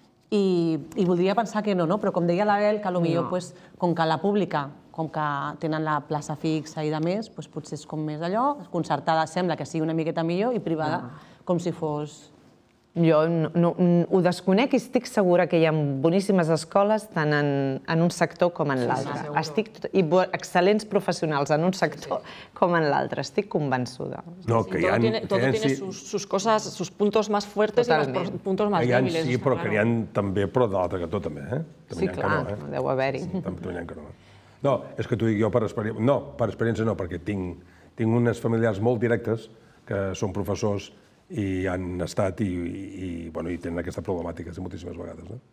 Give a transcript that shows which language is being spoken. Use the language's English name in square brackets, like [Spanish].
[Catalan] I voldria pensar que no, però com deia l'Abel, que potser, com que la pública, com que tenen la plaça fixa i de més, potser és com més allò, concertada sembla que sigui una miqueta millor i privada com si fos... Jo ho desconec i estic segura que hi ha boníssimes escoles tant en un sector com en l'altre. Estic... I excel·lents professionals en un sector com en l'altre. Estic convençuda. No, que hi ha... [Spanish] Todo tiene sus cosas, sus puntos más fuertes y los puntos más débiles. [Catalan] Sí, però que hi ha també, però de l'altre cantó també, eh? Sí, clar, deu haver-hi. També hi ha que no. No, és que t'ho dic jo per experiència... No, per experiència no, perquè tinc unes familiars molt directes que són professors i han estat i tenen aquesta problemàtica moltíssimes vegades.